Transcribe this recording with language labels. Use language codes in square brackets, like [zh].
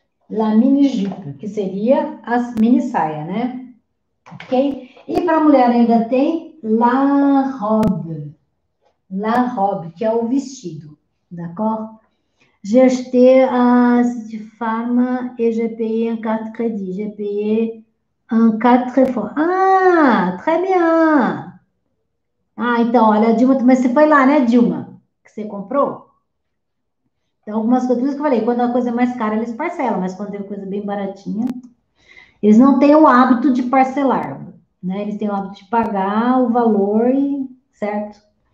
[pt] La mini jupe, que seria as mini saia, né? Ok? E para a mulher ainda tem la robe, que é o vestido, d'accord? [fr] J'achetais à Citifarma et j'ai payé en carte crédit, j'ai payé um, quatro, três, quatro. Ah, très bien. [pt] Ah, então, olha, Dilma, mas você foi lá, né, Dilma? Que você comprou? Então, algumas coisas que eu falei, quando a coisa é mais cara, eles parcelam, mas quando tem coisa bem baratinha, eles não têm o hábito de parcelar, né? Eles têm o hábito de pagar o valor e, certo?